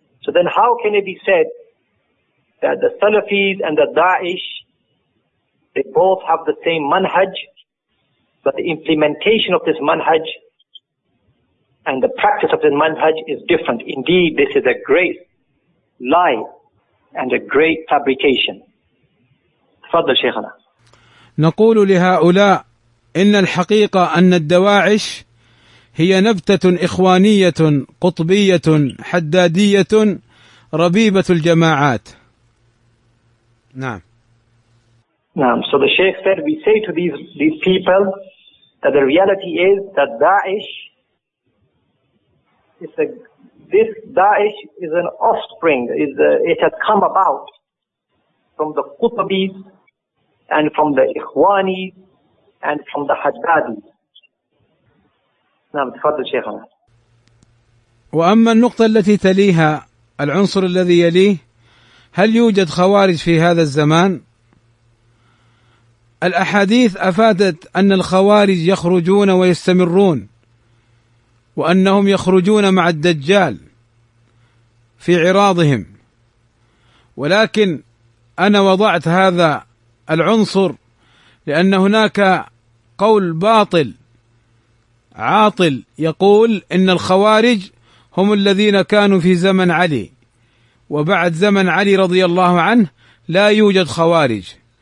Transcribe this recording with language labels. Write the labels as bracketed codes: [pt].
[en] So then how can it be said that the Salafis and the Daesh, they both have the same manhaj, but the implementation of this manhaj and the practice of this manhaj is different? Indeed, this is a great lie and a great fabrication. [ar] Tafadhal Shaykhana. نقول لهؤلاء إن الحقيقة أن الدواعش هي نبتة إخوانية قطبية حدادية ربيبة الجماعات. نعم. نعم. [en] So the Shaykh said, we say to these people that the reality is that Daesh is a, this Daesh is an offspring, is a, it has come about from the Qutbis and from the Ikhwanis and from the Haddadis. [ar] نعم تفضل شيخنا. وأما النقطة التي تليها، العنصر الذي يليه، هل يوجد خوارج في هذا الزمان؟ الأحاديث أفادت أن الخوارج يخرجون ويستمرون، وأنهم يخرجون مع الدجال في عراضهم، ولكن أنا وضعت هذا العنصر لأن هناك قول باطل عاطل يقول إن الخوارج هم الذين كانوا في زمن علي وبعد زمن علي رضي الله عنه لا يوجد خوارج.